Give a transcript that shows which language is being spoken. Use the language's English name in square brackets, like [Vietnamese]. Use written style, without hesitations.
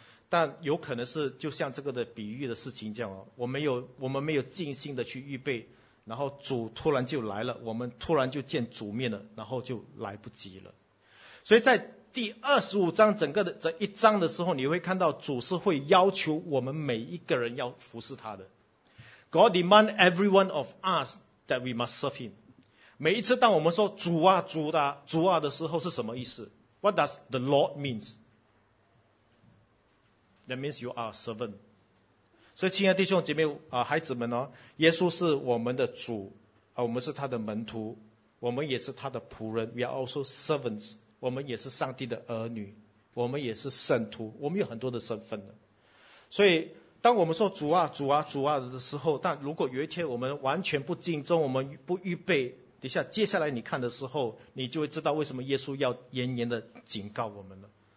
[Chinese] 但有可能是就像这个的比喻的事情这样，我们没有尽心的去预备，然后主突然就来了，我们突然就见主面了，然后就来不及了。所以在第25章整个的这一章的时候，你会看到主是会要求我们每一个人要服侍他的。 [English] God demand every one of us that we must serve him。 [Chinese] 每一次当我们说主啊主啊主啊的时候是什么意思？ [English] What does the Lord means? That means you are a servant. [Chinese] 所以亲爱的弟兄姐妹，孩子们，耶稣是我们的主，我们是他的门徒，我们也是他的仆人。 [English] We are also servants. [Chinese] 我们也是上帝的儿女，我们也是圣徒，我们有很多的身份的。所以当我们说主啊主啊主啊的时候，但如果有一天我们完全不敬重，我们不预备，等下接下来你看的时候，你就会知道为什么耶稣要严严的警告我们了。